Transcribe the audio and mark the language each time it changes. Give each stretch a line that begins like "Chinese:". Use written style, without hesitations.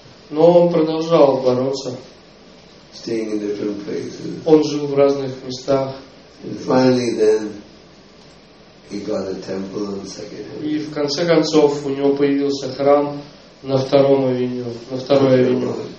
Russian: Но он продолжал бороться.
English: Staying in different places.
Russian: Он жил в разных местах.
English: And finally, then he got a temple on Second Avenue.
Russian: И в конце концов у него появился храм на втором авеню, на второй авеню.